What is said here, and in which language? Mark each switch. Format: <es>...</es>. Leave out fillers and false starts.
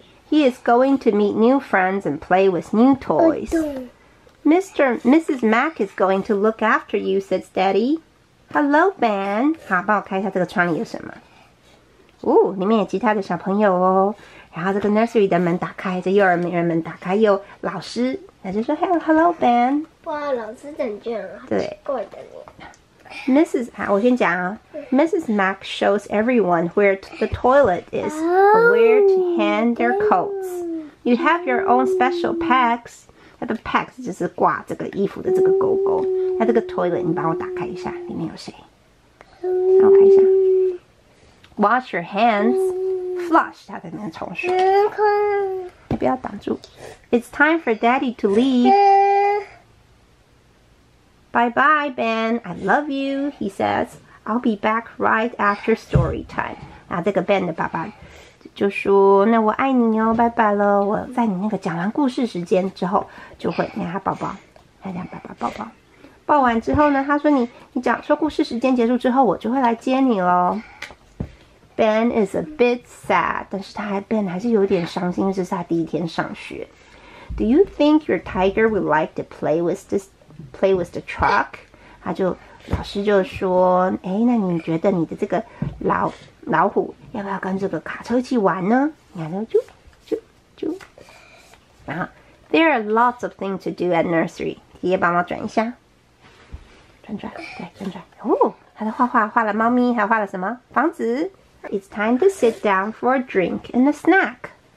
<en>He is going to meet new friends and play with new toys. Mrs. Mac is going to look after you, says Daddy. Hello, Ben.</en> <zh>好，帮我开一下这个窗里有什么。哦，里面有其他的小朋友哦。然后这个 nursery 的门打开，这幼儿园门打开，有老师，他就说</zh> <en>Hello, Ben.</en> <zh>哇，老师长这样，好奇怪的脸。Mrs. 好，我先讲啊。Mrs.</zh> <en>Mac shows everyone where the toilet is, where to hang their coats. You have your own special packs.</en> <zh>它的 packs 就是挂这个衣服的这个钩钩。它这个 toilet 你帮我打开一下，里面有谁？让我看一下。</zh> <en>Wash your hands, flush</en> <zh>它的那个冲水。你不要挡住。</zh> <en>It's time for Daddy to leave. Bye bye, Ben. I love you. He says, "I'll be back right after story time."</en> <zh>那这个 Ben 的爸爸。就说那我爱你哦，拜拜了，我在你那个讲完故事时间之后就会让他抱抱，他讲爸爸抱抱，抱完之后呢，他说你讲说故事时间结束之后我就会来接你咯。</zh> <en>Ben is a bit sad，</en> <zh>但是Ben 还是有点伤心，这是他第一天上学。</zh> <en>Do you think your tiger would like to play with the truck？</en> <zh>他就老师就说，哎，那你觉得你的这个老虎要不要跟这个卡车一起玩呢？你看，就就就，然后</zh> <en>there are lots of things to do at nursery.</en> <zh>爷爷帮忙转一下，转，哦，他在画画，画了猫咪，还画了什么房子 ？</zh> <en>It's time to sit down for a drink and a snack.</en>